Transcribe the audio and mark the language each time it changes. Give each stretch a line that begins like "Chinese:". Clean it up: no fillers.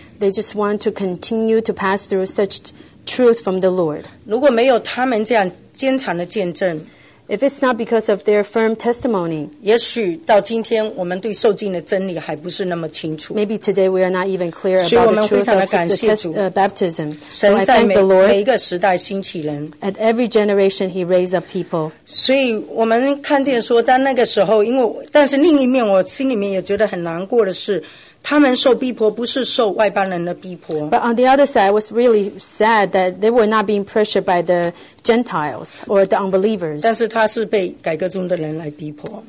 English: They just want to continue to pass through such truth from the Lord.
Chinese: 如果没有他们这样坚强的见证,
English: if it's not because of their firm testimony,
Chinese: 也许到今天我们对受浸的真理还不是那么清楚。
English: Maybe today we are not even clear about the truth of the baptism. So I thank the Lord.
Chinese: 神在每一个时代兴起人。
English: At every generation he raised up people.
Chinese: 所以我们看见说当那个时候因为但是另一面我心里面也觉得很难过的是, 他们受逼迫不是受外邦人的逼迫。
English: But on the other side, I was really sad that they were not being pressured by the Gentiles or the unbelievers.
Chinese: 但是他是被改革中的人来逼迫。